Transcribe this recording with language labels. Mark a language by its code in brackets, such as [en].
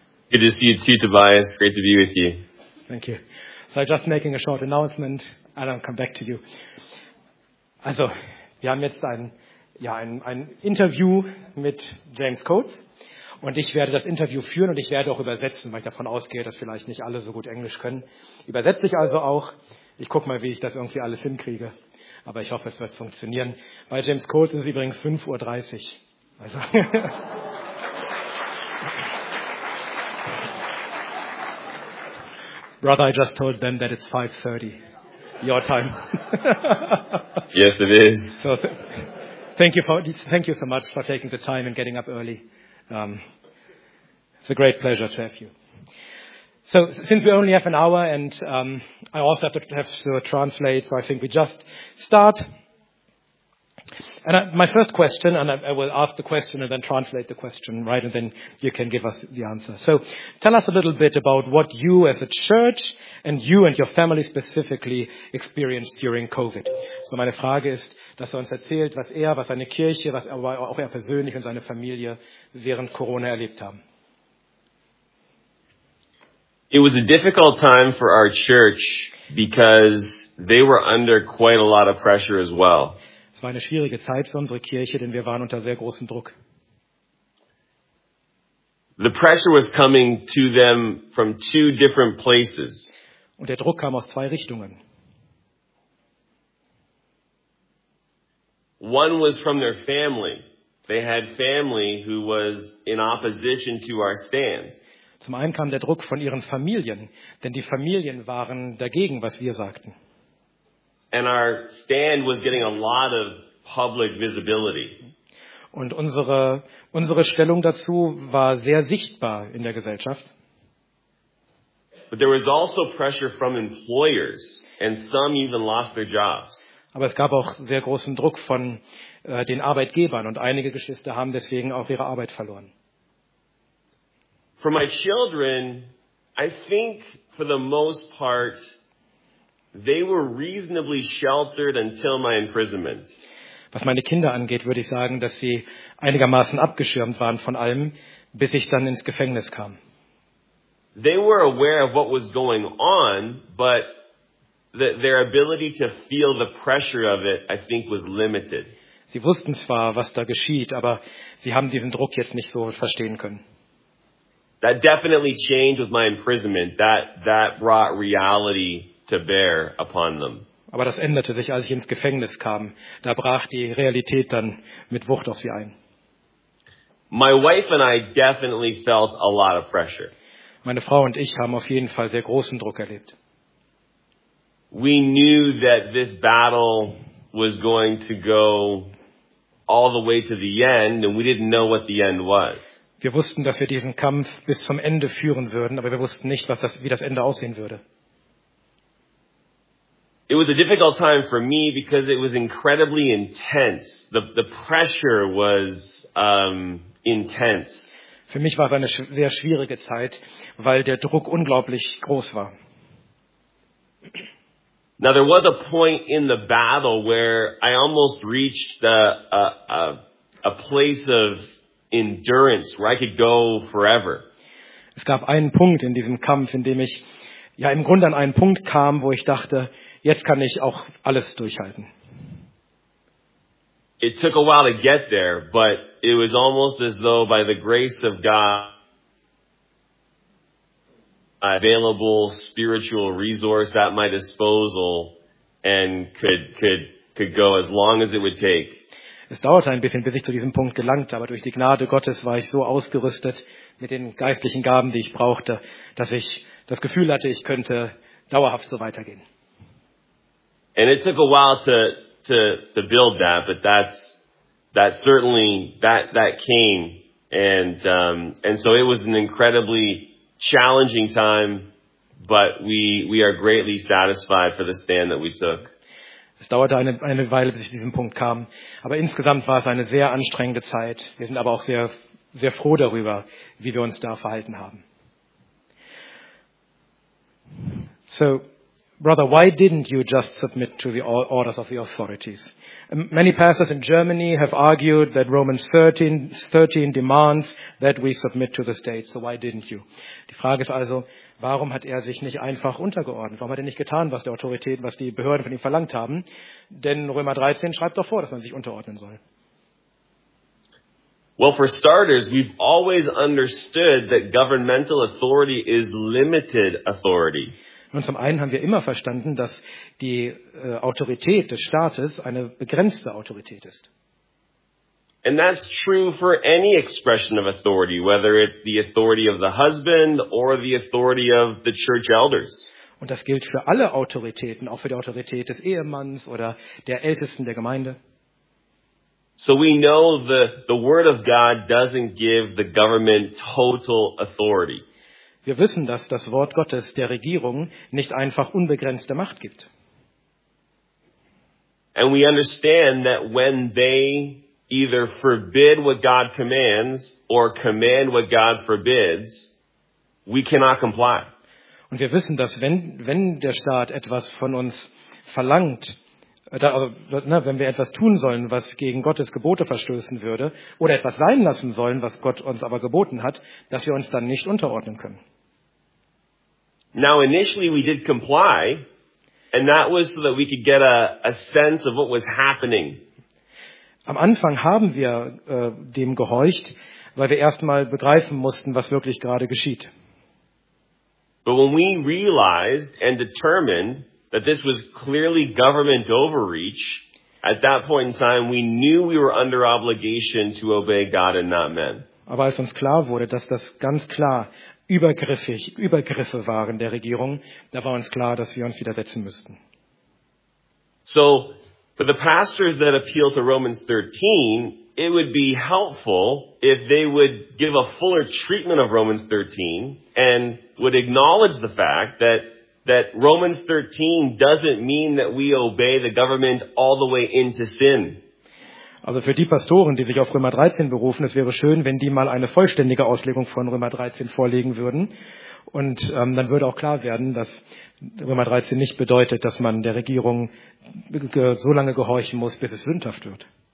[en] Good to see you too, Tobias. Great to be with you. Thank you. So just making a short announcement, and I'll come back to you. [de] Also, wir haben jetzt ein Interview mit James Coates. Und ich werde das Interview führen und ich werde auch übersetzen, weil ich davon ausgehe, dass vielleicht nicht alle so gut Englisch können. Übersetze ich also auch. Ich gucke mal, wie ich das irgendwie alles hinkriege. Aber ich hoffe, es wird funktionieren. Bei James Coates ist es übrigens 5.30 Uhr. Also. [en] Brother, I just told them that it's 5:30. Your time. Yes, it is. So, thank you so much for taking the time and getting up early. It's a great pleasure to have you. So, since we only have an hour, and I also have to translate, so I think we just start. And my first question, and I will ask the question and then translate the question, right, and then you can give us the answer. So, tell us a little bit about what you as a church and you and your family specifically experienced during COVID. [de] So, meine Frage ist, dass er uns erzählt, was er, was seine Kirche, was er, auch er persönlich und seine Familie während Corona erlebt haben. [en] It was a difficult time for our church because they were under quite a lot of pressure as well. [de] Es war eine schwierige Zeit für unsere Kirche, denn wir waren unter sehr großem Druck. [en] The pressure was coming to them from two different places. [de] Und der Druck kam aus zwei Richtungen. [en] One was from their family. They had family who was in opposition to our stand. [de] Zum einen kam der Druck von ihren Familien, denn die Familien waren dagegen, was wir sagten. [en] And our stand was getting a lot of public visibility. [de] Und unsere Stellung dazu war sehr sichtbar in der Gesellschaft. [en] But there was also pressure from employers, and some even lost their jobs. [de] Aber es gab auch sehr großen Druck von den Arbeitgebern und einige Geschwister haben deswegen auch ihre Arbeit verloren. [en] For my children, I think for the most part, they were reasonably sheltered until my imprisonment. [de] Was meine Kinder angeht, würde ich sagen, dass sie einigermaßen abgeschirmt waren von allem, bis ich dann ins Gefängnis kam. [en] They were aware of what was going on, but their ability to feel the pressure of it, I think, was limited. [de] Sie wussten zwar, was da geschieht, aber sie haben diesen Druck jetzt nicht so verstehen können. [en] That definitely changed with my imprisonment. That brought reality to bear upon them. [de] Aber das änderte sich, als ich ins Gefängnis kam. Da brach die Realität dann mit Wucht auf sie ein. [en] My wife and I definitely felt a lot of pressure. [de] Meine Frau und ich haben auf jeden Fall sehr großen Druck erlebt. [en] We knew that this battle was going to go all the way to the end, and we didn't know what the end was. [de] Wir wussten, dass wir diesen Kampf bis zum Ende führen würden, aber wir wussten nicht, wie das Ende aussehen würde. [en] It was a difficult time for me because it was incredibly intense. The pressure was intense. [de] Für mich war es eine sehr schwierige Zeit, weil der Druck unglaublich groß war. [en] Now there was a point in the battle where I almost reached a place of endurance where I could go forever. [de] Es gab einen Punkt in diesem Kampf, in dem ich ja im Grunde an einen Punkt kam, wo ich dachte, jetzt kann ich auch alles durchhalten. [en] It took a while to get there, but it was almost as though by the grace of God available spiritual resource at my disposal and could go as long as it would take. [de] Es dauerte ein bisschen, bis ich zu diesem Punkt gelangte, aber durch die Gnade Gottes war ich so ausgerüstet mit den geistlichen Gaben, die ich brauchte, dass ich das Gefühl hatte, ich könnte dauerhaft so weitergehen. [en] And it took a while to build that, but that certainly came, and so it was an incredibly challenging time, but we are greatly satisfied for the stand that we took. [de] Es dauerte eine Weile, bis ich zu diesem Punkt kam. Aber insgesamt war es eine sehr anstrengende Zeit. Wir sind aber auch sehr, sehr froh darüber, wie wir uns da verhalten haben. So, [en] Brother, why didn't you just submit to the orders of the authorities? Many pastors in Germany have argued that Romans 13 demands that we submit to the state. So why didn't you? [de] Die Frage ist also, warum hat er sich nicht einfach untergeordnet? Warum hat er nicht getan, was die Autorität, was die Behörden von ihm verlangt haben? Denn Römer 13 schreibt doch vor, dass man sich unterordnen soll. [en] Well, for starters, we've always understood that governmental authority is limited authority. [de] Nun, zum einen haben wir immer verstanden, dass die Autorität des Staates eine begrenzte Autorität ist. [en] And that's true for any expression of authority, whether it's the authority of the husband or the authority of the church elders. [de] Und das gilt für alle Autoritäten, auch für die Autorität des Ehemanns oder der Ältesten der Gemeinde. [en] So we know the word of God doesn't give the government total authority. [de] Wir wissen, dass das Wort Gottes der Regierung nicht einfach unbegrenzte Macht gibt. [en] And we understand that when they either forbid what God commands or command what God forbids, we cannot comply. [de] Und wir wissen, dass wenn der Staat etwas von uns verlangt, also, ne, wenn wir etwas tun sollen, was gegen Gottes Gebote verstoßen würde, oder etwas sein lassen sollen, was Gott uns aber geboten hat, dass wir uns dann nicht unterordnen können. [en] Now initially we did comply, and that was so that we could get a sense of what was happening. [de] Am Anfang haben wir dem gehorcht, weil wir erstmal begreifen mussten, was wirklich gerade geschieht. [en] But when we realized and determined that this was clearly government overreach, at that point in time we knew we were under obligation to obey God and not men. [de] Aber als uns klar wurde, dass das ganz klar Übergriffe waren der Regierung, da war uns klar, dass wir uns widersetzen müssten. [en] So for the pastors that appeal to Romans 13, it would be helpful if they would give a fuller treatment of Romans 13 and would acknowledge the fact that Romans 13 doesn't mean that we obey the government all the way into sin. [de] Also für die Pastoren, die sich auf Römer 13 berufen, es wäre schön, wenn die mal eine vollständige Auslegung von Römer 13 vorlegen würden. Und dann würde auch klar werden, dass Römer 13 nicht bedeutet, dass man der Regierung so lange gehorchen muss, bis es sündhaft wird.